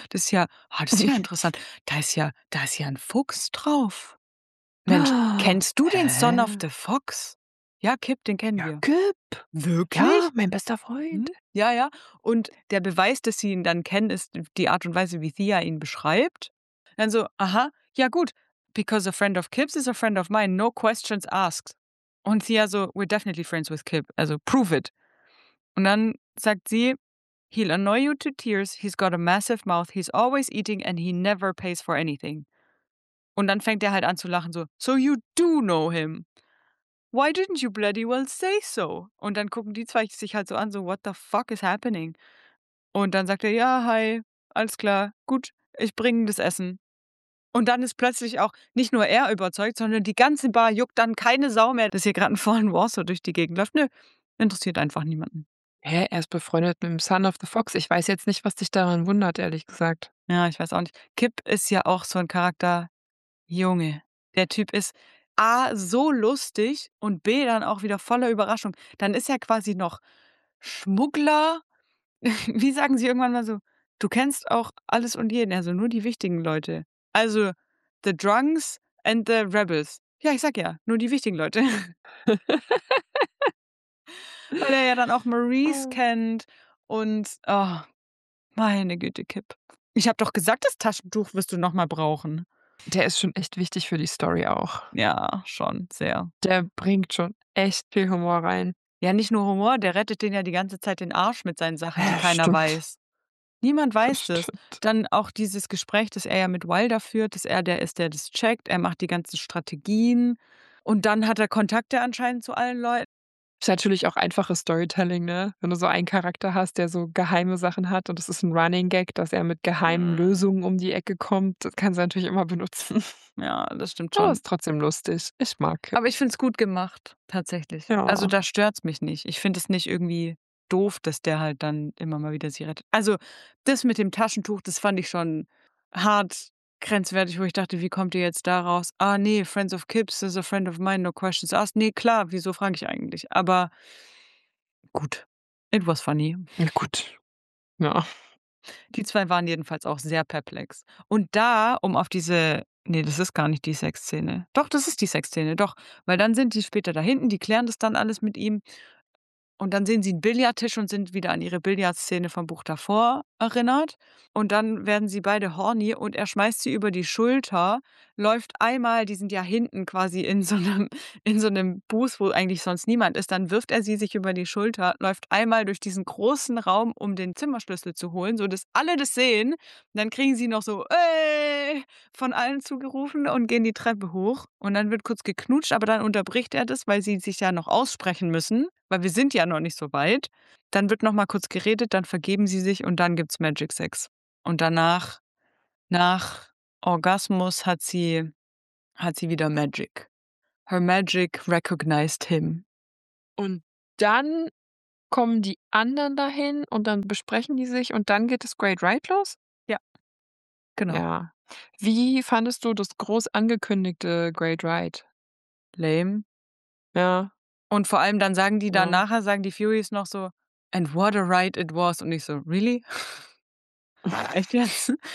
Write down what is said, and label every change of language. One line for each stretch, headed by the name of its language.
German: Das ist ja, oh, das ist ja interessant. Da ist ja ein Fuchs drauf. Mensch, kennst du den Son of the Fox? Ja, Kip, den kennen wir. Ja, Kip. Wirklich? Ja, mein bester Freund. Hm? Ja, ja. Und der Beweis, dass sie ihn dann kennen, ist die Art und Weise, wie Thea ihn beschreibt. Dann so, aha, ja gut.
English: Because a friend of Kip's is a friend of mine. No questions asked.
German: Und Thea so,
English: we're definitely friends with Kip.
German: Also,
English: prove it.
German: Und dann sagt sie,
English: he'll annoy you to tears. He's got a massive mouth. He's always eating and he never pays for anything.
German: Und dann fängt er halt an zu lachen so,
English: so you do know him. Why didn't you bloody well say so?
German: Und dann gucken die zwei sich halt so an, so,
English: what the fuck is happening?
German: Und dann sagt er, ja, hi, alles klar, gut, ich bringe das Essen. Und dann ist plötzlich auch nicht nur er überzeugt, sondern die ganze Bar juckt dann keine Sau mehr, dass hier gerade ein fallen Warsaw durch die Gegend läuft. Nö, interessiert einfach niemanden. Hä, er ist befreundet mit dem Son of the Fox. Ich weiß jetzt nicht, was dich daran wundert, ehrlich gesagt. Ja, ich weiß auch nicht. Kip ist ja auch so ein Charakter, Junge. Der Typ ist A, so lustig und B, dann auch wieder voller Überraschung. Dann ist er quasi noch Schmuggler. Wie sagen sie irgendwann mal so, du kennst auch alles und jeden, also nur die wichtigen Leute.
English: Also the drunks and the rebels.
German: Ja, ich sag ja, nur die wichtigen Leute. Weil er ja dann auch Maurice kennt und, oh, meine Güte, Kip. Ich hab doch gesagt, das Taschentuch wirst du nochmal brauchen. Der ist schon echt wichtig für die Story auch. Ja, schon, sehr. Der bringt schon echt viel Humor rein. Ja, nicht nur Humor, der rettet den ja die ganze Zeit den Arsch mit seinen Sachen, die keiner weiß. Niemand weiß es. Dann auch dieses Gespräch, das er ja mit Wilder führt, dass er der ist, der das checkt. Er macht die ganzen Strategien. Und dann hat er Kontakte anscheinend zu allen Leuten. Ist natürlich auch einfaches Storytelling, ne? Wenn du so einen Charakter hast, der so geheime Sachen hat und es ist ein Running Gag, dass er mit geheimen Lösungen um die Ecke kommt, das kannst du natürlich immer benutzen. Ja, das stimmt schon. Oh, ist trotzdem lustig. Ich mag es. Aber ich finde es gut gemacht, tatsächlich. Ja. Also da stört es mich nicht. Ich finde es nicht irgendwie doof, dass der halt dann immer mal wieder sie rettet. Also das mit dem Taschentuch, das fand ich schon hart grenzwertig, wo ich dachte, wie kommt ihr jetzt da raus? Ah, nee,
English: Friends of Kips is a friend of mine, no questions asked.
German: Nee, klar, wieso frage ich eigentlich? Aber gut,
English: it was funny.
German: Ja, gut, ja. Die zwei waren jedenfalls auch sehr perplex. Und da, um auf diese, nee, das ist gar nicht die Sexszene. Doch, das ist die Sexszene, doch. Weil dann sind die später da hinten, die klären das dann alles mit ihm. Und dann sehen sie einen Billardtisch und sind wieder an ihre Billardszene vom Buch davor erinnert. Und dann werden sie beide horny und er schmeißt sie über die Schulter, läuft einmal, die sind ja hinten quasi in so einem Booth, wo eigentlich sonst niemand ist. Dann wirft er sie sich über die Schulter, läuft einmal durch diesen großen Raum, um den Zimmerschlüssel zu holen, sodass alle das sehen. Und dann kriegen sie noch so von allen zugerufen und gehen die Treppe hoch. Und dann wird kurz geknutscht, aber dann unterbricht er das, weil sie sich ja noch aussprechen müssen. Weil wir sind ja noch nicht so weit. Dann wird noch mal kurz geredet, dann vergeben sie sich und dann gibt's Magic Sex. Und danach, nach Orgasmus, hat sie wieder Magic.
English: Her Magic recognized him.
German: Und dann kommen die anderen dahin und dann besprechen die sich und dann geht das Great Ride los? Ja, genau. Ja. Wie fandest du das groß angekündigte Great Ride?
English: Lame.
German: Ja. Und vor allem dann sagen die dann nachher, sagen die Furies noch so,
English: and what a ride it was.
German: Und ich so,
English: really?
German: Echt jetzt?